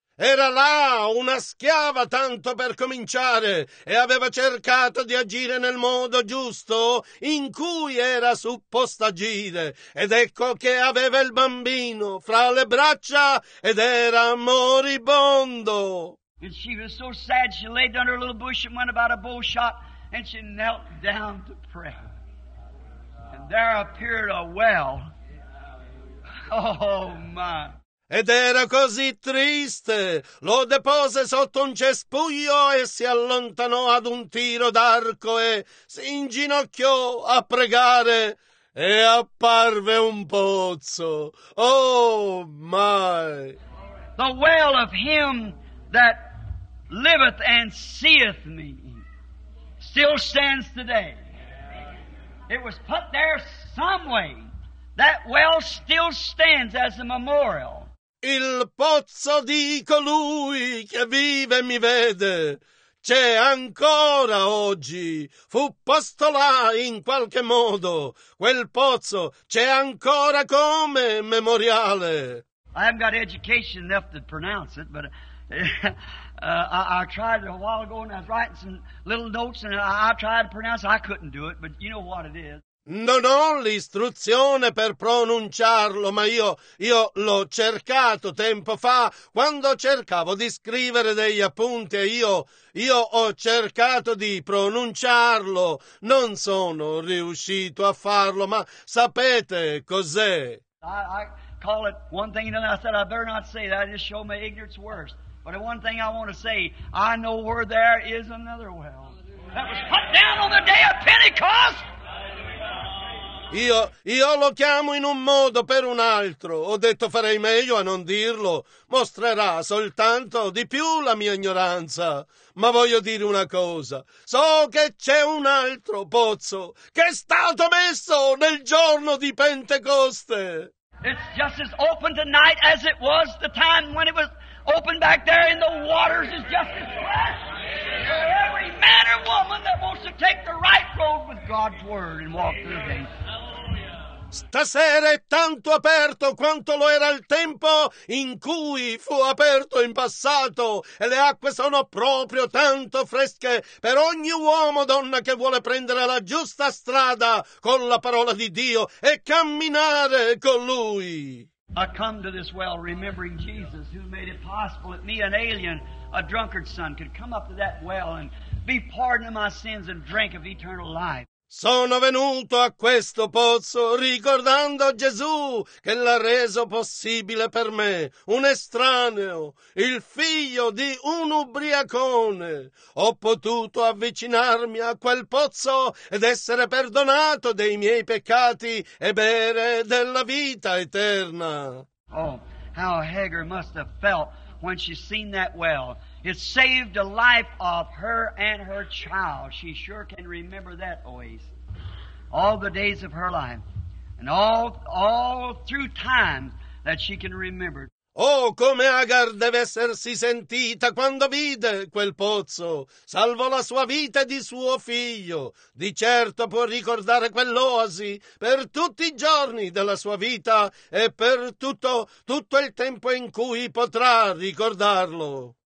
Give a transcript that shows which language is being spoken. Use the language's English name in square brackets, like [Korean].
[Italian] Era là una schiava tanto per cominciare e aveva cercato di agire nel modo giusto in cui era supposta agire. Ed ecco che aveva il bambino fra le braccia ed era moribondo. [English] And she was so sad she laid down her little bush and went about a bow shot and she knelt down to pray. And there appeared a well. Oh my. [Italian] Ed era così triste. Lo depose sotto un cespuglio e si allontanò ad un tiro d'arco e si inginocchiò a pregare e apparve un pozzo. [English] Oh my. The well of him that liveth and seeth me still stands today. It was put there some way. That well still stands as a memorial. [Italian] Il pozzo di colui che vive e mi vede c'è ancora oggi. Fu posto là in qualche modo. Quel pozzo c'è ancora come memoriale. [English] I haven't got education enough to pronounce it, but I tried it a while ago and I was writing some little notes and I tried to pronounce it. I couldn't do it, but you know what it is. [Italian] Non ho l'istruzione per pronunciarlo, ma io l'ho cercato tempo fa, quando cercavo di scrivere degli appunti, io ho cercato di pronunciarlo, non sono riuscito a farlo, ma sapete cos'è? [English] I call it one thing and then I said I better not say that, I just show my ignorance worse, but one thing I want to say, I know where there is another well, that was put down on the day of Pentecost! [Italian] Io lo chiamo in un modo per un altro. Ho detto farei meglio a non dirlo. Mostrerà soltanto di più la mia ignoranza. Ma voglio dire una cosa. So che c'è un altro pozzo che è stato messo nel giorno di Pentecoste. [English] It's just as open tonight as it was the time when it was open back there in the waters is just as fresh for every man or woman that wants to take the right road with God's word and walk through it. [Italian] Stasera è tanto aperto quanto lo era il tempo in cui fu aperto in passato e le acque sono proprio tanto fresche per ogni uomo o donna che vuole prendere la giusta strada con la parola di Dio e camminare con Lui. [English] I come to this well remembering Jesus who made it possible that me, an alien, a drunkard's son, could come up to that well and be pardoned of my sins and drink of eternal life. [Italian] Sono venuto a questo pozzo ricordando Gesù che l'ha reso possibile per me, un estraneo, il figlio di un ubriacone. Ho potuto avvicinarmi a quel pozzo ed essere perdonato dei miei peccati e bere della vita eterna. [English] Oh, how Hagar must have felt when she seen that well. It saved the life of her and her child. She sure can remember that always. All the days of her life. And all through time that she can remember. [Italian] Oh, come Hagar deve essersi sentita quando vide quel pozzo. Salvò la sua vita e di suo figlio. Di certo può ricordare quell'oasi per tutti i giorni della sua vita e per tutto il tempo in cui potrà ricordarlo.